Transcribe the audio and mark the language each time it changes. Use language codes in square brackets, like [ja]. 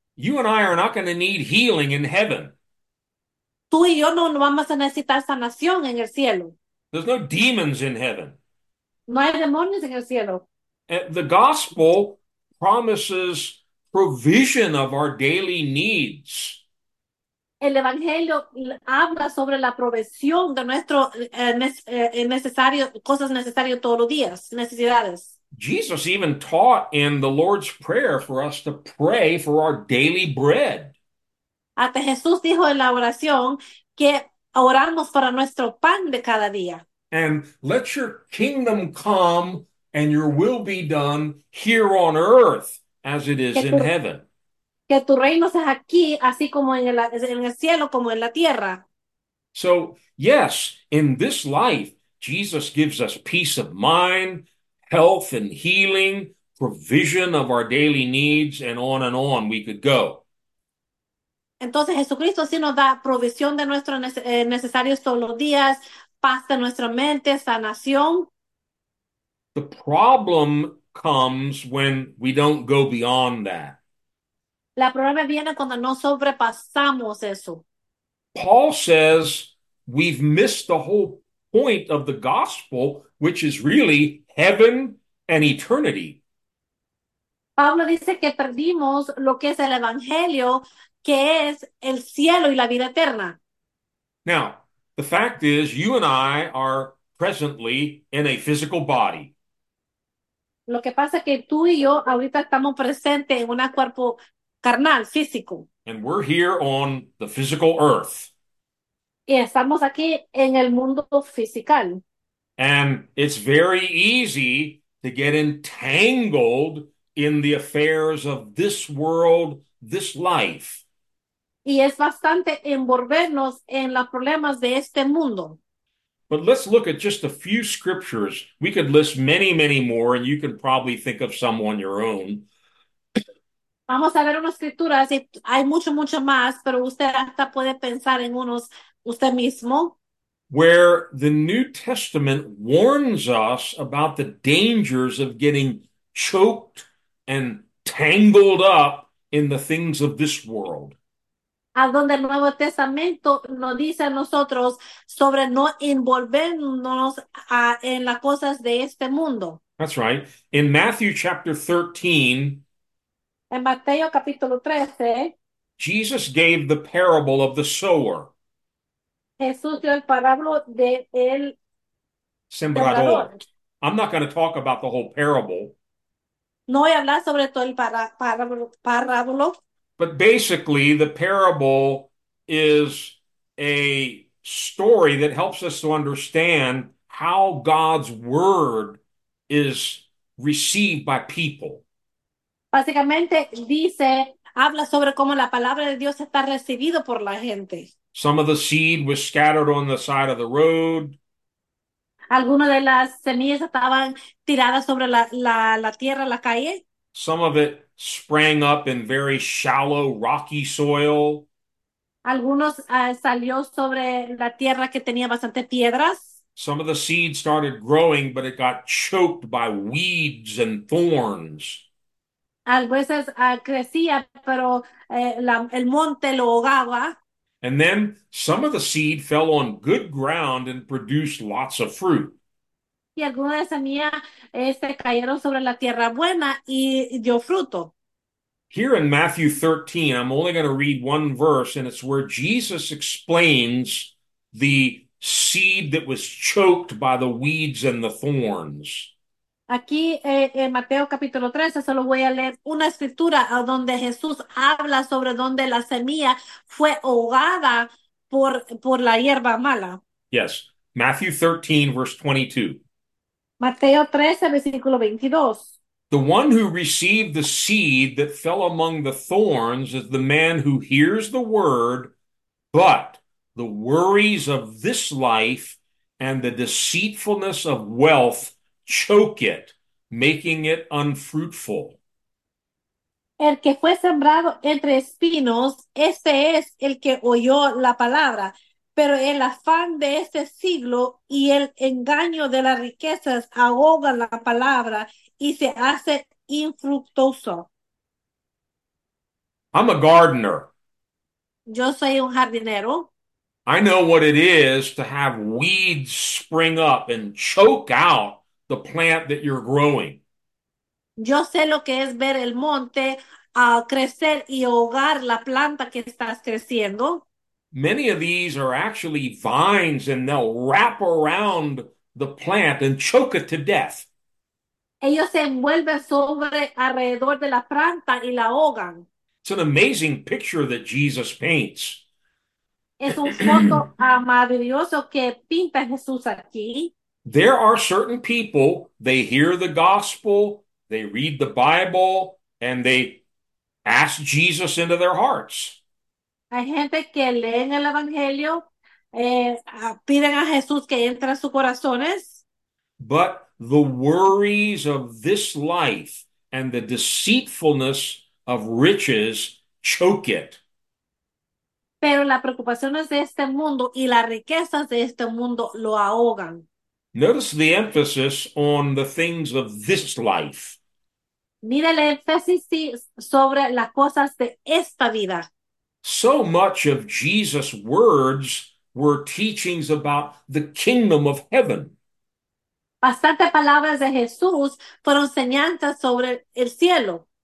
[en] You and I are not going to need healing in heaven. [es] Tú y yo no vamos a necesitar sanación en el cielo. [en] There's no demons in heaven. [es] No hay demonios en el cielo. [en] The gospel promises provision of our daily needs. [es] El Evangelio habla sobre la provisión de nuestro necesario cosas necesarias todos los días, necesidades. [en] Jesus even taught in the Lord's Prayer for us to pray for our daily bread. [es] Hasta Jesús dijo en la oración que oramos para nuestro pan de cada día. [en] And let your kingdom come. And your will be done here on earth as it is in heaven. [es] Que tu reino sea aquí, así como en el cielo, como en la tierra. [en] So, yes, in this life, Jesus gives us peace of mind, health and healing, provision of our daily needs, and on we could go. [es] Entonces Jesucristo sí nos da provisión de nuestros necesarios todos los días, paz de nuestra mente, sanación. [en] The problem comes when we don't go beyond that. [es] La problema viene cuando no sobrepasamos eso. [en] Paul says we've missed the whole point of the gospel, which is really heaven and eternity. [es] Pablo dice que perdimos lo que es el evangelio, que es el cielo y la vida eterna. [en] Now, the fact is, you and I are presently in a physical body. [es] Lo que pasa es que tú y yo ahorita estamos presentes en un cuerpo carnal, físico. [en] And we're here on the physical earth. [es] Y estamos aquí en el mundo [en] physical. And it's very easy to get entangled in the affairs of this world, this life. [es] Y es bastante envolvernos en los problemas de este mundo. [en] But let's look at just a few scriptures. We could list many, many more, and you can probably think of some on your own. [es] Vamos a ver unas escrituras y hay mucho, mucho más, pero usted hasta puede pensar en unos usted mismo. [en] Where the New Testament warns us about the dangers of getting choked and tangled up in the things of this world. [es] A donde el Nuevo Testamento nos dice a nosotros sobre no envolvernos en las cosas de este mundo. [en] That's right. In Matthew chapter 13, [es] En Mateo capítulo 13, [en] Jesus gave the parable of the sower. [es] Jesús dio el parábolo de el Sembrador. sembrador. [en] I'm not going to talk about the whole parable. [es] No voy a hablar sobre todo el parábolo. [en] But basically, the parable is a story that helps us to understand how God's word is received by people. [es] Básicamente dice, habla sobre cómo la palabra de Dios está recibida por la gente. [en] Some of the seed was scattered on the side of the road. [es] Algunas de las semillas estaban tiradas sobre la tierra, la calle. [en] Some of it sprang up in very shallow, rocky soil. [es] Algunos salió sobre la tierra que tenía bastante piedras. [en] Some of the seed started growing, but it got choked by weeds and thorns. [es] A veces crecía, pero el monte lo ahogaba. [en] And then some of the seed fell on good ground and produced lots of fruit. [es] Y algunas de esas mías cayeron sobre la tierra buena y dio fruto. [en] Here in Matthew 13, I'm only going to read one verse, and it's where Jesus explains the seed that was choked by the weeds and the thorns. [es] Aquí en Mateo capítulo 13 solo voy a leer una escritura donde Jesús habla sobre donde la semilla fue ahogada por la hierba mala. [en] Yes, Matthew 13, verse 22. [es] Mateo 13, versículo 22. [en] The one who received the seed that fell among the thorns is the man who hears the word, but the worries of this life and the deceitfulness of wealth choke it, making it unfruitful. [es] El que fue sembrado entre espinos, ese es el que oyó la palabra, pero el afán de este siglo y el engaño de las riquezas ahogan la palabra y se hace infructuoso. [en] I'm a gardener. [es] Yo soy un jardinero. [en] I know what it is to have weeds spring up and choke out the plant that you're growing. [es] Yo sé lo que es ver el monte crecer y ahogar la planta que estás creciendo. [en] Many of these are actually vines, and they'll wrap around the plant and choke it to death. [es] Ellos se envuelven sobre alrededor de la planta y la ahogan. [en] It's an amazing picture that Jesus paints. [es] Es un foto maravilloso que pinta Jesús aquí. [en] There are certain people, they hear the gospel, they read the Bible, and they ask Jesus into their hearts. [es] Hay gente que leen el Evangelio, piden a Jesús que entre a sus corazones. [en] But the worries of this life and the deceitfulness of riches choke it. [es] Pero las preocupaciones de este mundo y las riquezas de este mundo lo ahogan. [en] Notice the emphasis on the things of this life. [es] Mira el énfasis sobre las cosas de esta vida. [en] So much of Jesus' words were teachings about the kingdom of heaven. [es] Bastantes palabras de Jesús fueron enseñanzas sobre el cielo.